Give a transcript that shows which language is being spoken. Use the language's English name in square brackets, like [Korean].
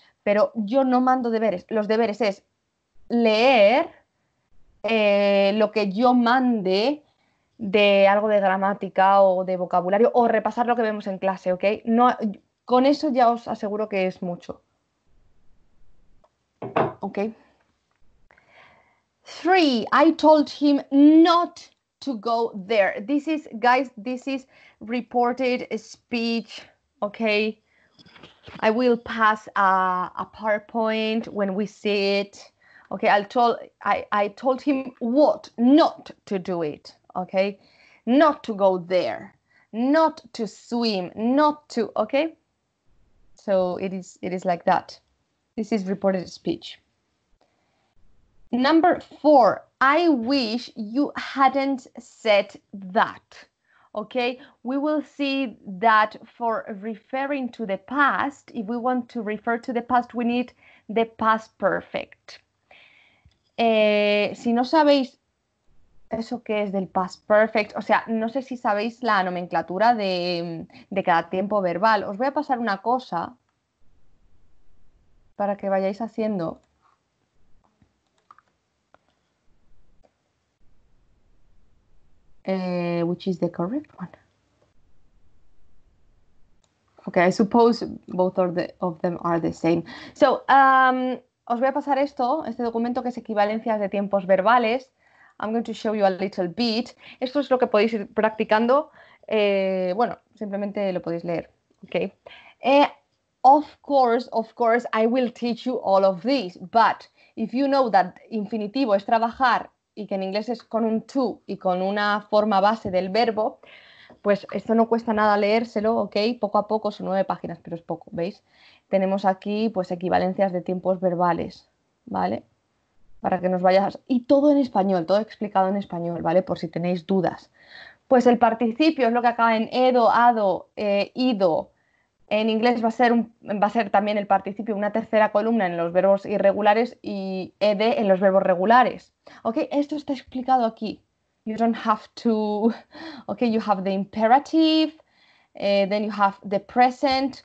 [Spanish] Pero yo no mando deberes. Los deberes es leer lo que yo mande de algo de gramática o de vocabulario o repasar lo que vemos en clase, ¿ok? No, con eso ya os aseguro que es mucho. ¿Ok? [English] Three, I told him not to go there. This is, guys, this is reported speech, ¿ok? I will pass a PowerPoint when we see it. ¿Ok? I told him what not to do it. Okay, not to go there, not to swim, not to, okay? So it is like that. This is reported speech. Number four, I wish you hadn't said that, okay? We will see that for referring to the past, if we want to refer to the past, we need the past perfect. [Spanish] Si no sabéis, ¿eso qué es del past perfect? O sea, no sé si sabéis la nomenclatura de cada tiempo verbal. Os voy a pasar una cosa para que vayáis haciendo. [English] Which is the correct one? Okay, I suppose both of them are the same. [Spanish] So, os voy a pasar esto, este documento que es equivalencias de tiempos verbales. [English] I'm going to show you a little bit. [Spanish] Esto es lo que podéis ir practicando. Bueno, simplemente lo podéis leer. [English] Okay. Of course, I will teach you all of this. But if you know that [Spanish] infinitivo es trabajar y que en inglés es con un to y con una forma base del verbo, pues esto no cuesta nada leérselo, okay. Poco a poco, son 9 páginas, pero es poco, ¿veis? Tenemos aquí pues equivalencias de tiempos verbales, ¿vale? Para que nos vayas, y todo en español, todo explicado en español, ¿vale? Por si tenéis dudas. Pues el participio es lo que acaba en edo, ado, ido. En inglés va a ser también el participio una tercera columna en los verbos irregulares y ed en los verbos regulares. ¿Ok? Esto está explicado aquí. [English] You don't have to... Ok, you have the imperative, then you have the present.